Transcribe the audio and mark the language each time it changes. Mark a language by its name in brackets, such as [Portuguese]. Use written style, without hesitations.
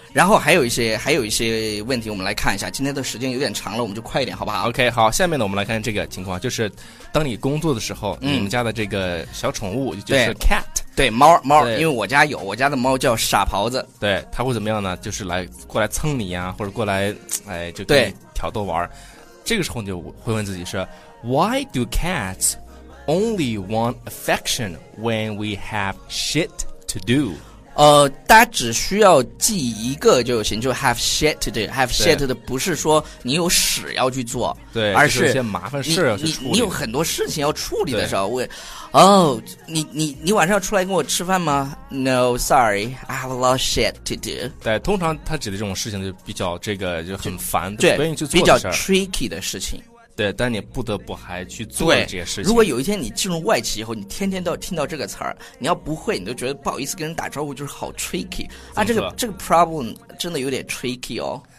[Chinese] 然后还有一些问题，我们来看一下。今天的时间有点长了，我们就快一点，好不好？OK， 好。下面呢，我们来看这个情况，就是当你工作的时候，你们家的这个小宠物就是 cat，对，猫，因为我家的猫叫傻狍子，对，它会怎么样呢？就是来过来蹭你呀，或者过来，哎，就跟你挑逗玩。这个时候你就会问自己是 [English] ，Why do cats only want affection when we have shit to do？ [Chinese] 大家只需要记一个就行，就 [English] have shit to do。 have shit [Chinese] 的不是说你有屎要去做，对，而是有些麻烦事要去处理。你有很多事情要处理的时候，我你晚上要出来跟我吃饭吗？ [English] No sorry I have a lot of shit to do。 [Chinese] 对，通常他指的这种事情就比较这个就很烦，对，所以你就做比较 tricky 的事情，对，但你不得不还去做这些事情。如果有一天你进入外企以后，你天天都要听到这个词儿，你要不会，你都觉得不好意思跟人打招呼，就是好 tricky 啊。这个 problem 真的有点 tricky 哦。